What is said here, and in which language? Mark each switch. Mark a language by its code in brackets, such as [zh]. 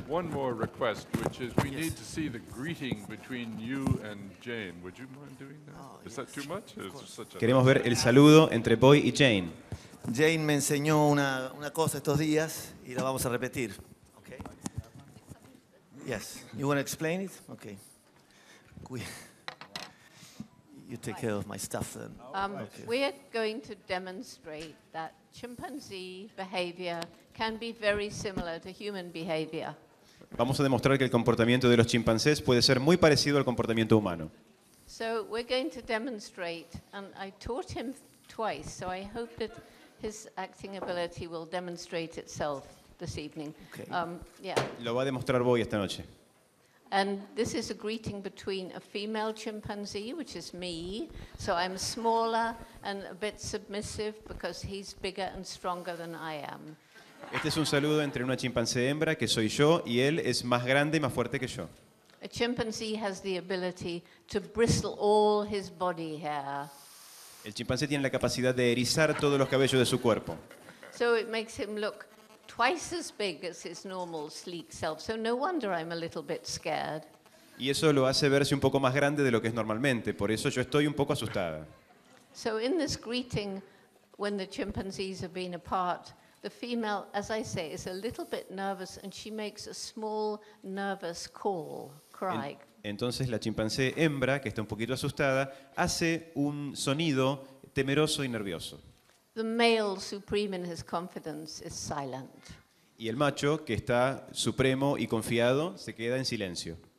[en] One more request, which is we need to see the greeting between you and Jane. Would you mind doing that? Is that too much? [es] Queremos ver el saludo entre Boy y Jane. Jane me enseñó una cosa estos días y la vamos a repetir. [en] Okay. Yes. You want to explain it? Okay. You take care of my stuff then. Okay. We're going to demonstrate that chimpanzee behavior can be very similar to human behavior. [es] Vamos a demostrar que el comportamiento de los chimpancés puede ser muy parecido al comportamiento humano. [en] So we're going to demonstrate, and I taught him twice, so I hope that his acting ability will demonstrate itself this evening. Okay. Yeah. [es] Lo va a demostrar Boy esta noche. [en] And this is a greeting between a female chimpanzee, which is me. So I'm smaller and a bit submissive because he's bigger and stronger than I am. [es] Este es un saludo entre una chimpancé hembra, que soy yo, y él es más grande y más fuerte que yo. [en] A chimpanzee has the ability to bristle all his body hair. [es] El chimpancé tiene la capacidad de erizar todos los cabellos de su cuerpo. [en] So it makes him look twice as big as his normal sleek self. So no wonder I'm a little bit scared. [es] Y eso lo hace verse un poco más grande de lo que es normalmente, por eso yo estoy un poco asustada. [en] So in this greeting, when the chimpanzees have been apart, the female, as I say, is a little bit nervous and she makes a small nervous call, cry. [es] Entonces la chimpancé hembra, que está un poquito asustada, hace un sonido temeroso y nervioso. [en] The male supreme in his confidence is silent. [es] Y el macho, que está supremo y confiado, se queda en silencio.